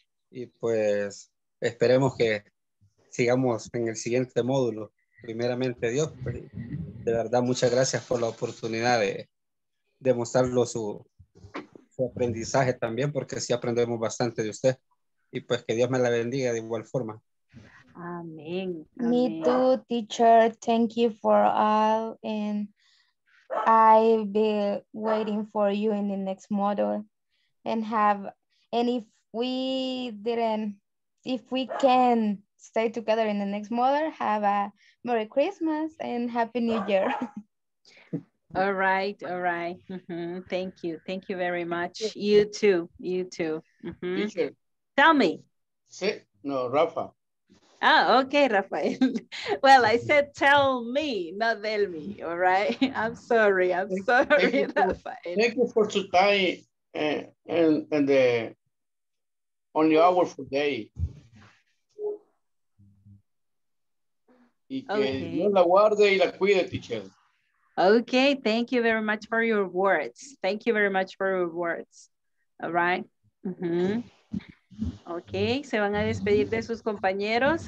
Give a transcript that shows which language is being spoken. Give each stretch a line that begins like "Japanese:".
Spanish: Y pues esperemos que sigamos en el siguiente módulo. Primeramente Dios, pues, de verdad muchas gracias por la oportunidad de demostrarlo su aprendizaje también, porque sí aprendemos bastante de usted. Y pues que Dios me la bendiga de igual forma. Amén.
English: Me too, teacher. Thank you for all. And I'll be waiting for you in the next module. And if we can stay together in the next module, have a Merry Christmas and Happy New Year. All right, all right. Mm-hmm. Thank you. Thank you very much. You too. You too. Mm-hmm. Tell me.
Spanish: Sí. No, Rafa.
English: Oh, okay, Rafael. Well, I said tell me, not tell me. All right. I'm sorry. I'm sorry, Rafael. Thank you for today and the only hour for day.
Spanish: Okay. Y que la guarde y la cuide, teacher.
English: Okay, thank you very much for your words. Thank you very much for your words. All right. Mm-hmm.
Spanish: Okay, se van a despedir de sus compañeros.